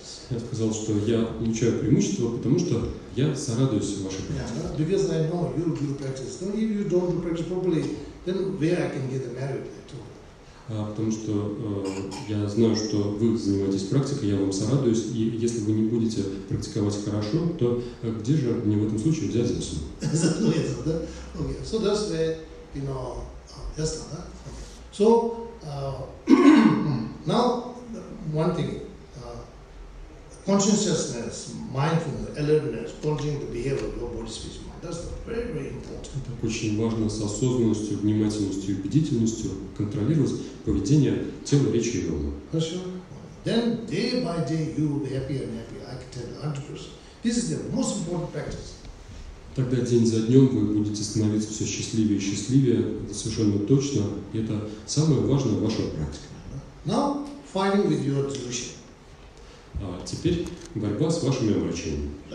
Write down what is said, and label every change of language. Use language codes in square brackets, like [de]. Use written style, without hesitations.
[ru] Я сказал, что я получаю преимущество, потому что я зарадуюсь вашей практике. [en] Yeah, because I know you do practice. Then if you don't do practice properly, then where I can get the merit at all? [ru] Потому что я знаю, что вы занимаетесь практикой, я вам зарадуюсь, и если вы не будете практиковать хорошо, то где же мне в этом случае взять заслугу? Заслуга, да? [en] Okay. So that's where, you know, yes, да? Okay. So now one thing. Consciousness, mindfulness, alertness, controlling the behavior of your body, speech, mind. That's very, very important. [ru] Это очень важно с осознанностью, внимательностью, убедительностью контролировать поведение тела, речи и ума. Хорошо. [en] Then day by day you will be happier and happier. I can tell you 100%. This is the most important practice. [ru] Тогда день за днем вы будете становиться все счастливее и счастливее. Это совершенно точно. И это самое важное в вашей практике. [en] Now fighting with your delusion. [ru] А теперь борьба с вашими омрачениями.